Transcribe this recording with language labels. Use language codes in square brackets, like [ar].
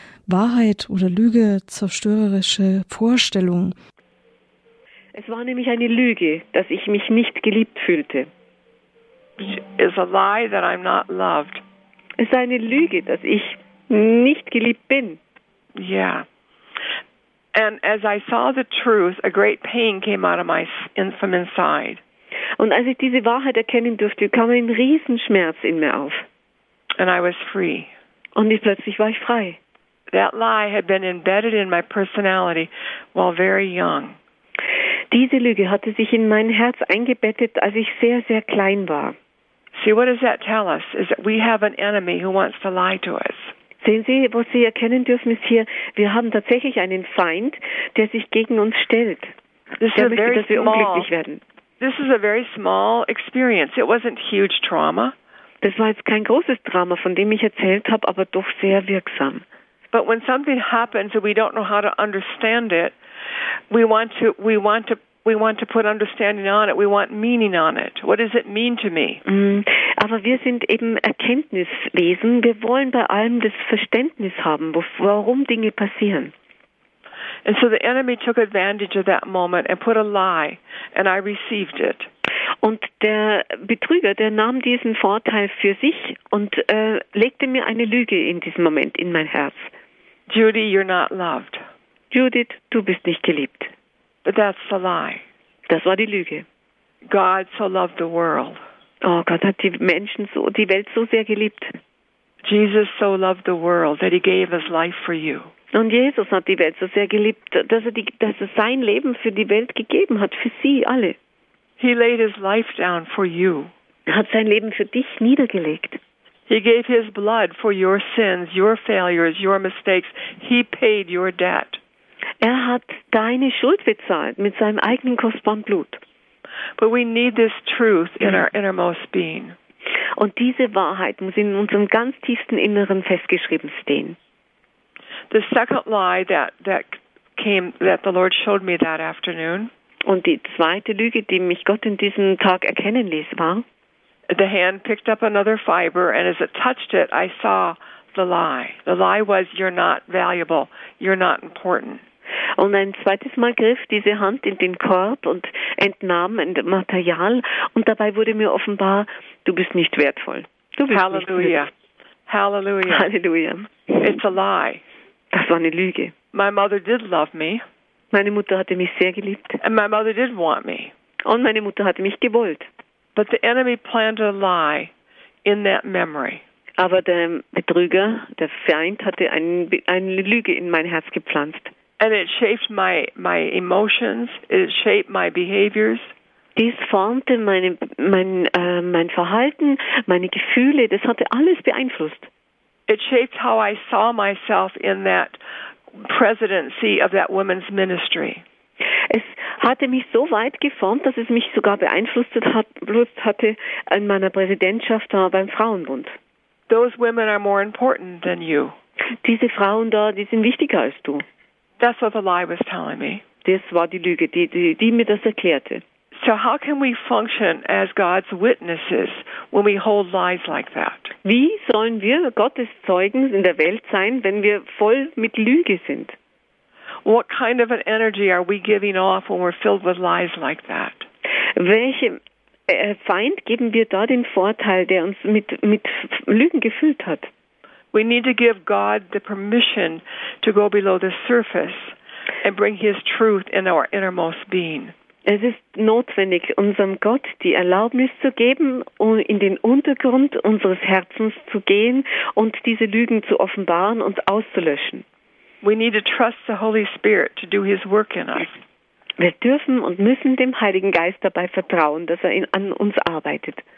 [de] Wahrheit oder Lüge, zerstörerische Vorstellungen. Es war nämlich eine Lüge, dass ich mich nicht geliebt fühlte. [en] It's a lie that I'm not loved. [de] Es ist eine Lüge, dass ich nicht geliebt bin. Ja. Yeah. [en] And as I saw the truth, a great pain came out of my from inside. [de] Und als ich diese Wahrheit erkennen durfte, kam ein Riesenschmerz in mir auf. [en] And I was free. [de] Und ich plötzlich war ich frei. [en] That lie had been embedded in my personality while very young. [de] Diese Lüge hatte sich in mein Herz eingebettet, als ich sehr, sehr klein war. [en] See, what does that tell us? Is that we have an enemy who wants to lie to us. [de] Sehen Sie, was Sie erkennen dürfen, ist hier, wir haben tatsächlich einen Feind, der sich gegen uns stellt. [en] This is a very small experience. It wasn't huge trauma. [de] Das war jetzt kein großes Drama, von dem ich erzählt habe, aber doch sehr wirksam. [en] But when something happens and we don't know how to understand it, we want to put understanding on it. We want meaning on it. What does it mean to me? [de] Aber wir sind eben Erkenntniswesen. Wir wollen bei allem das Verständnis haben, warum Dinge passieren. [en] And so the enemy took advantage of that moment and put a lie, and I received it. [de] Und der Betrüger, der nahm diesen Vorteil für sich und legte mir eine Lüge in diesem Moment in mein Herz. [en] Judy, you're not loved. [de] Judith, du bist nicht geliebt. [en] But that's the lie. [de] Das war die Lüge. [en] God so loved the world. [de] Oh, Gott hat die Menschen so, die Welt so sehr geliebt. [en] Jesus so loved the world that he gave his life for you. [de] Und Jesus hat die Welt so sehr geliebt, dass er sein Leben für die Welt gegeben hat, für sie alle. [en] He laid his life down for you. [de] Hat sein Leben für dich niedergelegt. [en] He gave his blood for your sins, your failures, your mistakes. He paid your debt. [de] Er hat deine Schuld bezahlt mit seinem eigenen kostbaren Blut. [en] But we need this truth in our innermost being. [de] Und diese Wahrheit muss in unserem ganz tiefsten Inneren festgeschrieben stehen. [en] The second lie that the Lord showed me that afternoon. [de] Und die zweite Lüge, die mich Gott in diesem Tag erkennen ließ, war. [en] The hand picked up another fiber, and as it touched it, I saw the lie. The lie was, you're not valuable, you're not important. [de] Und ein zweites Mal griff diese Hand in den Korb und entnahm ein Material, und dabei wurde mir offenbar, du bist nicht wertvoll. Du bist Halleluja. Nicht wertvoll. Halleluja. Halleluja. [en] It's a lie. [de] Das war eine Lüge. [en] My mother did love me. [de] Meine Mutter hatte mich sehr geliebt. [en] And my mother did want me. [de] Und meine Mutter hatte mich gewollt. [en] But the enemy planted a lie in that memory. [de] Aber der Betrüger, der Feind, hatte eine Lüge in mein Herz gepflanzt. [en] And it shaped my emotions. It shaped my behaviors. [de] Dies formte mein Verhalten, meine Gefühle. Das hatte alles beeinflusst. [en] It shaped how I saw myself in that presidency of that woman's ministry. [de] Es hatte mich so weit geformt, dass es mich sogar beeinflusst hatte in meiner Präsidentschaft da beim Frauenbund. [en] Those women are more important than you. [de] Diese Frauen da, die sind wichtiger als du. [en] That's what the lie was telling me. [de] Das war die Lüge, die mir das erklärte. [en] So how can we function as God's witnesses when we hold lies like that? [de] Wie sollen wir Gottes Zeugen in der Welt sein, wenn wir voll mit Lüge sind? [en] What kind of an energy are we giving off when we're filled with lies like that? [de] Welchem Feind geben wir da den Vorteil, der uns mit Lügen gefüllt hat? [en] We need to give God the permission to go below the surface and bring his truth in our innermost being. [de] Es ist notwendig, unserem Gott die Erlaubnis zu geben, um in den Untergrund unseres Herzens zu gehen und diese Lügen zu offenbaren und auszulöschen. [en] We need to trust the Holy Spirit to do his work in us. [de] Wir dürfen und müssen dem Heiligen Geist dabei vertrauen, dass er an uns arbeitet.